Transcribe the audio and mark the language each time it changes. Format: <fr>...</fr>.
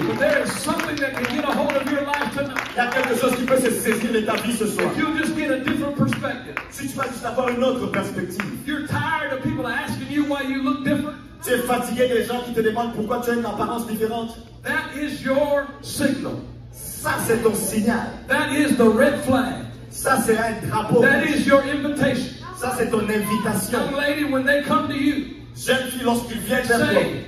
<en>But there is something that can get a hold of your life tonight.</en> <fr>Il y a quelque chose qui peut se saisir de ta vie ce soir.</fr> <en>If you just get a different perspective.</en> <fr>Si tu vas juste avoir une autre perspective.</fr> <en>You're tired of people asking you why you look different.</en> <fr>Tu es fatigué des gens qui te demandent pourquoi tu as une apparence différente.</fr> <en>That is your signal.</en> <fr>Ça, c'est ton signal.</fr> <en>That is the red flag.</en> <fr>Ça, c'est un drapeau.</fr> <en>That is your invitation.</en> <fr>Ça, c'est ton invitation.</fr> <en>Young lady, when they come to you,</en> <fr>jeune fille, lorsqu'ils viennent vers toi,</fr>